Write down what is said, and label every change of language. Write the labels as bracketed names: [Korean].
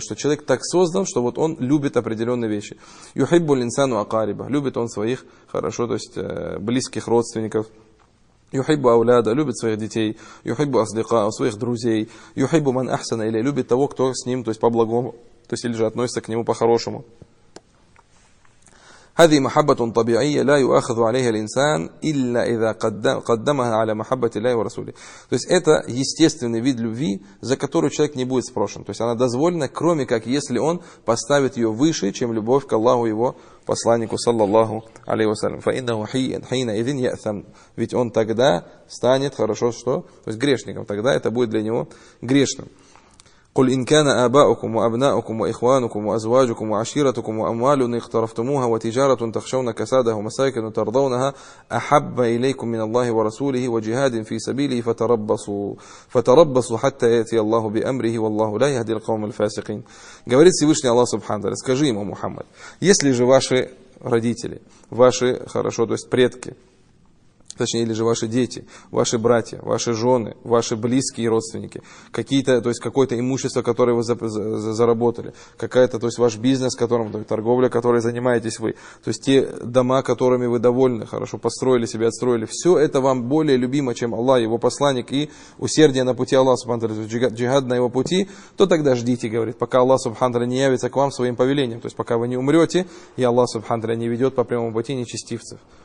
[Russian] Что человек так создан, что вот он любит определенные вещи. [Arabic] Юхиббу линсану акариба. [Russian] Любит он своих, хорошо, то есть, близких родственников. [Arabic] Юхиббу ауляда, [Russian] любит своих детей, [Arabic] юхиббу асдика, [Russian] своих друзей, [Arabic] юхиббу ман ахсана, [Russian] или любит того, кто с ним, то есть по-благому, то есть или же относится к нему по-хорошему. [Arabic] هذه محبة طبيعية لا يؤخذ عليها الإنسان إلا إذا قدمها على محبة الله ورسوله. [Russian] То есть это естественный вид любви, за которую человек не будет спрошен. То есть она дозволена, кроме как если он поставит ее выше, чем любовь к Аллаху его посланнику саллаллаху алейхи вассалям. [Arabic] فإنه حين إذن يأثم. [Russian] Ведь он тогда станет хорошо что? То есть грешником. Тогда это будет для него грешным. [Arabic] قل إن كان آباؤكم وأبناؤكم وإخوانكم وأزواجكم وعشيرتكم وأموال اقترفتموها وتجارة تخشون كسادها ومساكن ترضونها أحب إليكم من الله ورسوله وجهاد في سبيله فتربصوا حتى يأتي الله بأمره والله لا يهدي القوم الفاسقين. [Russian] Говорит Всевышний Аллах Субхану Тааля, скажи ему, Мухаммад, если же ваши родители, ваши, хорошо, то есть предки, точнее, или же ваши дети, ваши братья, ваши жены, ваши близкие родственники, какие-то, то есть какое-то имущество, которое вы заработали, какая-то, то есть ваш бизнес, которым, то есть торговля, которой занимаетесь вы, то есть те дома, которыми вы довольны, хорошо построили себе, отстроили, все это вам более любимо, чем Аллах, его посланник и усердие на пути Аллаха субхану тааля, джихад на его пути, то тогда ждите, говорит, пока Аллах субхану тааля не явится к вам своим повелением, то есть пока вы не умрете, и Аллах субхану тааля не ведет по прямому пути нечестивцев.